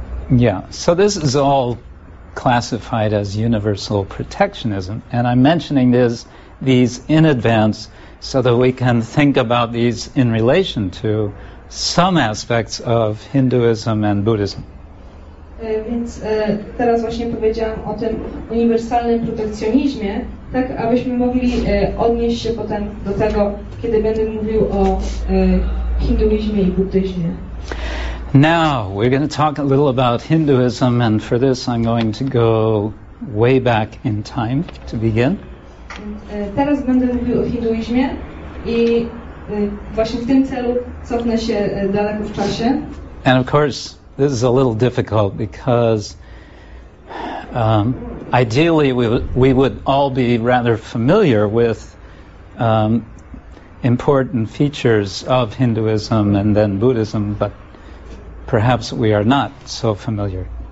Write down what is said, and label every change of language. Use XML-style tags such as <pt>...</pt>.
<en>Yeah, so this is all classified as universal protectionism, and I'm mentioning these in advance so that we can think about these in relation to some aspects of Hinduism and Buddhism.</en> <pl>Więc teraz właśnie powiedziałam o tym uniwersalnym protekcjonizmie, tak abyśmy mogli odnieść się potem do tego, kiedy będę mówił o hinduizmie i buddyzmie.</pl> <en>Now, we're going to talk a little about Hinduism, and for this I'm going to go way back in time to begin.</en> <pl>Teraz będę mówił o hinduizmie i właśnie w tym celu cofnę się daleko w czasie.</pl> <en>And of course, this is a little difficult because ideally we would all be rather familiar with important features of Hinduism and then Buddhism, but perhaps we are not so familiar.</en>